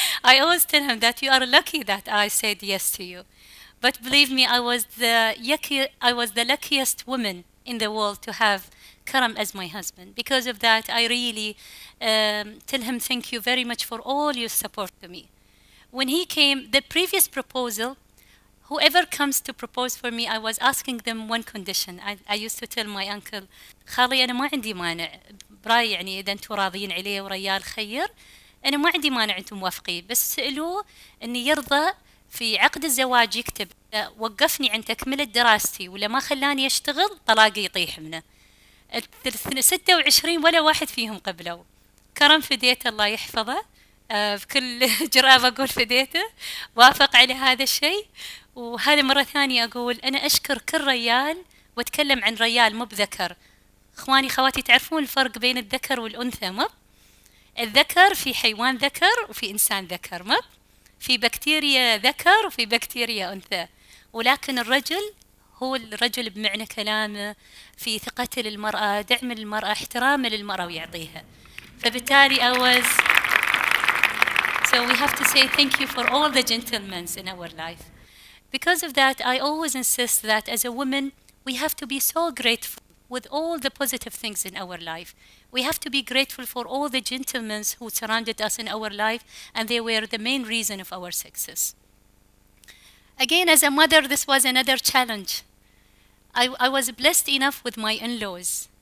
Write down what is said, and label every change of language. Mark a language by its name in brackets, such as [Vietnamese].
[English] I always tell him that you are lucky that I said yes to you. But believe me, I was the luckiest woman in the world to have Karam as my husband. Because of that, I really tell him thank you very much for all your support to me. When he came, the previous proposal, whoever comes to propose for me, I was asking them one condition. I used to tell my uncle, [Arabic] خالي أنا ما عندي مانع براي يعني إذا أنتوا راضيين عليه وريال خير أنا ما عندي مانع أنتم موافقين بس سألوه أني يرضى في عقد الزواج يكتب وقفني عن تكملة دراستي ولا ما خلاني يشتغل طلاقي يطيح منه 26 ولا واحد فيهم قبلوا كرم فديته الله يحفظه بكل جرأة بقول فديته وافق على هذا الشيء وهذا مرة ثانية أقول أنا أشكر كل ريال وأتكلم عن ريال مو بذكر إخواني خواتي تعرفون الفرق بين الذكر والأنثى مب الذكر في حيوان ذكر وفي إنسان ذكر مب في بكتيريا ذكر وفي بكتيريا أنثى ولكن الرجل هو الرجل بمعنى كلامه في ثقة للمرأة دعم للمرأة احترام للمرأة ويعطيها فبالتالي أوز [English] So we have to say thank you for all the gentlemen in our life. Because of that, I always insist that as a woman, we have to be so grateful with all the positive things in our life. We have to be grateful for all the gentlemen who surrounded us in our life, and they were the main reason of our success. Again, as a mother, this was another challenge. I was blessed enough with my in-laws.